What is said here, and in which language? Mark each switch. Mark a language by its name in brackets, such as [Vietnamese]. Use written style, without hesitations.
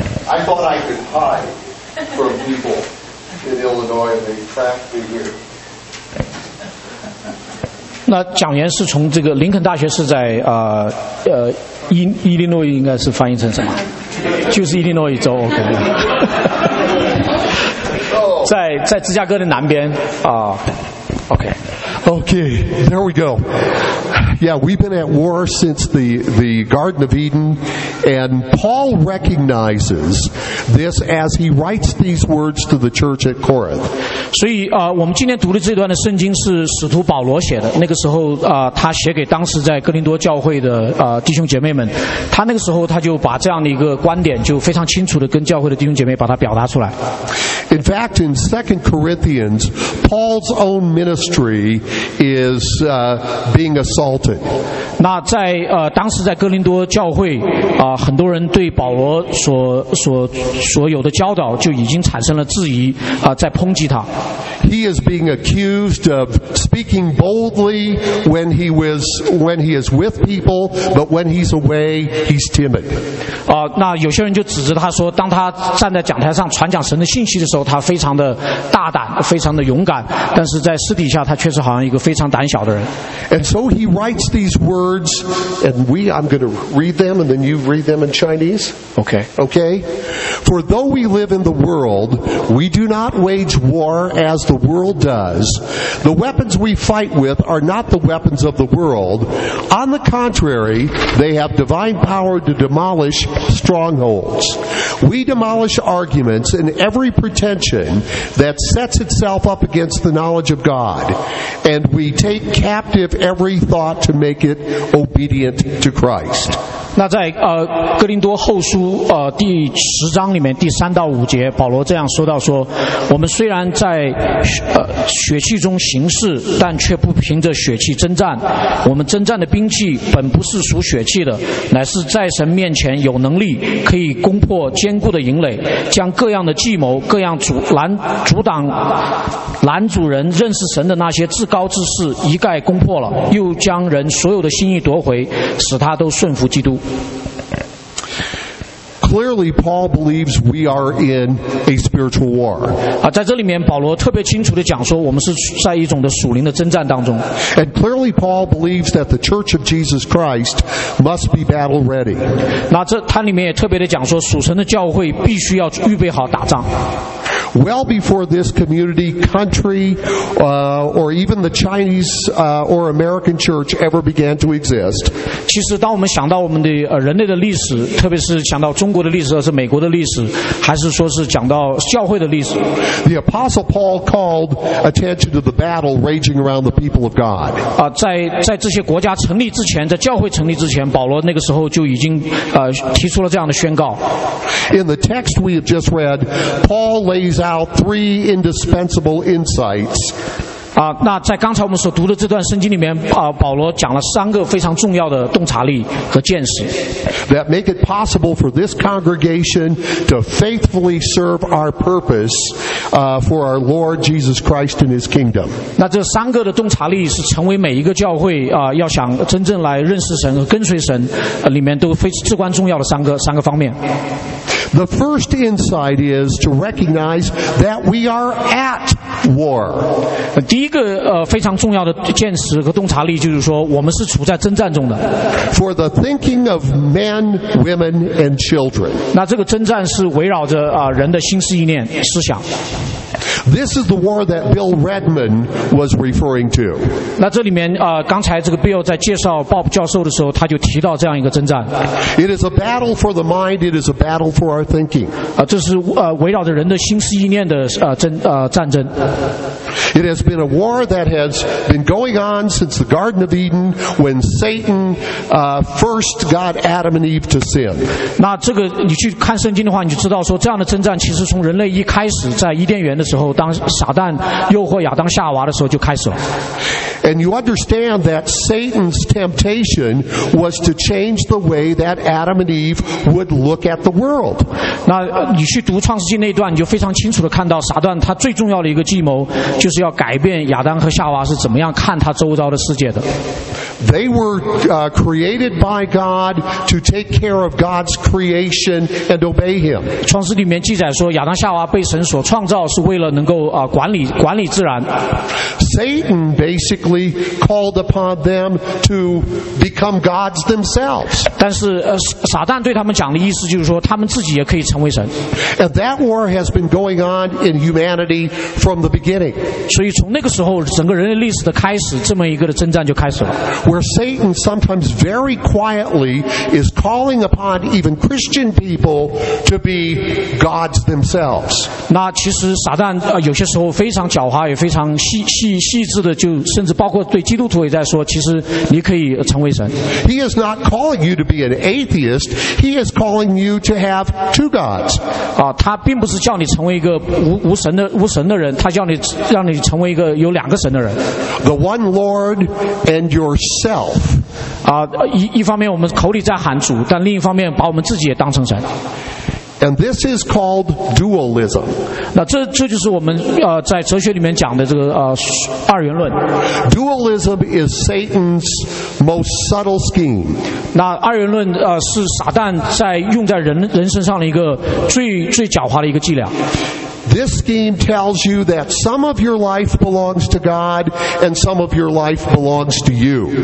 [English] I thought I could hide from people in Illinois and they tracked me here. [Chinese] 那讲员是从这个林肯大学是在伊利诺应该是翻译成什么？就是伊利诺伊州。Okay. 在芝加哥的南边OK. [English] Okay, there we go. Yeah, we've been at war since the Garden of Eden, and Paul recognizes this as he writes these words to the church at Corinth. [Chinese] 所以我们今天读的这段的圣经是使徒保罗写的。那个时候他写给当时在哥林多教会的弟兄姐妹们。他那个时候他就把这样的一个观点就非常清楚的跟教会的弟兄姐妹把它表达出来。 [English] In fact, in 2 Corinthians, Paul's own ministry is being assaulted. assaulted. [Chinese] 那在当时在哥林多教会很多人对保罗所有的教导就已经产生了质疑在抨击他。 [English] He is being accused of speaking boldly when he is with people, but when he's away, he's timid. [Chinese] 那有些人就指责他说，当他站在讲台上传讲神的信息的时候，他非常的大胆，非常的勇敢，但是在私底下他确实好像一个非常胆小的人。 [English] And so he writes these words, and I'm going to read them, and then you read them in Chinese. Okay. Okay. For though we live in the world, we do not wage war as the world does. The weapons we fight with are not the weapons of the world. On the contrary, they have divine power to demolish strongholds. We demolish arguments and every pretension that sets itself up against the knowledge of God, and we take captive every thought to make it obedient to Christ. [Chinese] 那在哥林多后书第十章里面第三到五节，保罗这样说到说，我们虽然在血气中行事，但却不凭着血气征战。我们征战的兵器本不是属血气的，乃是在神面前有能力可以攻破坚固的营垒，将各样的计谋、各样阻挡男主人认识神的那些至高之事一概攻破了，又将人所有的心意夺回，使他都顺服基督。 [English] Clearly, Paul believes we are in a spiritual war. [Chinese] 在这里面，保罗特别清楚地讲说，我们是在一种的属灵的征战当中。 [English] And clearly, Paul believes that the Church of Jesus Christ must be battle ready. [Chinese] 那这他里面也特别地讲说，属神的教会必须要预备好打仗。 [English] Well before this community, country, or even the Chinese or American church ever began to exist. [Chinese] 其实当我们想到我们的人类的历史，特别是想到中国的历史，或是美国的历史，还是说是讲到教会的历史。 [English] The Apostle Paul called attention to the battle raging around the people of God. [Chinese] 在这些国家成立之前，在教会成立之前，保罗那个时候就已经提出了这样的宣告。 [English] In the text we have just read, Paul lays out three indispensable insights. [Chinese] 那在刚才我们所读的这段圣经里面，保罗讲了三个非常重要的洞察力和见识。 [English] That make it possible for this congregation to faithfully serve our purpose, for our Lord Jesus Christ and His kingdom. [Chinese] 那这三个的洞察力是成为每一个教会要想真正来认识神和跟随神里面都非至关重要的三个方面。 [English] The first insight is to recognize that we are at war. [Chinese] 第一个非常重要的见识和洞察力就是说，我们是处在征战中的。 [English] For the thinking of men, women, and children. [Chinese] 那这个征战是围绕着人的心思意念思想。 [English] This is the war that Bill Redman was referring to. [Chinese] 那这里面刚才这个 Bill 在介绍 Bob 教授的时候，他就提到这样一个征战。 [English] It is a battle for the mind. It is a battle for our thinking. [Chinese] 这是围绕着人的心思意念的战争。 [English] It has been a war that has been going on since the Garden of Eden, when Satan first got Adam and Eve to sin. [Chinese] 那这个你去看圣经的话，你就知道说这样的征战其实从人类一开始在伊甸园的时候，当撒旦诱惑亚当夏娃的时候就开始了。 [English] And you understand that Satan's temptation was to change the way that Adam and Eve would look at the world. [Chinese] 那你去读创世纪那段，你就非常清楚地看到撒旦他最重要的一个计谋，就是要改变亚当和夏娃是怎么样看他周遭的世界的。 [English] They were created by God to take care of God's creation and obey Him. [Chinese] 创世里面记载说，亚当夏娃被神所创造是为了能够管理自然。 [English] Satan basically called upon them to become gods themselves. [Chinese] 但是撒旦对他们讲的意思就是说，他们自己也可以成为神。 [English] And that war has been going on in humanity from the beginning. [Chinese] 所以从那个时候，整个人类历史的开始，这么一个的征战就开始了。 [English] Where Satan sometimes very quietly is calling upon even Christian people to be gods themselves. [Chinese] 那其实撒旦有些时候非常狡猾，也非常细细细致的，就甚至包括对基督徒也在说，其实你可以成为神。 [English] He is not calling you to be an atheist. He is calling you to have two gods. [Chinese] 啊，他并不是叫你成为一个无神的人，他叫你让你成为一个有两个神的人。 [English] The one Lord and yourself. [Chinese] 啊，一方面我们口里在喊主，但另一方面把我们自己也当成神。 [English] And this is called dualism. [Chinese] 那这就是我们在哲学里面讲的这个二元论。 [English] Dualism is Satan's most subtle scheme. [Chinese] 那二元论是撒旦在用在人身上的一个最狡猾的一个伎俩。 [English] This scheme tells you that some of your life belongs to God and some of your life belongs to you.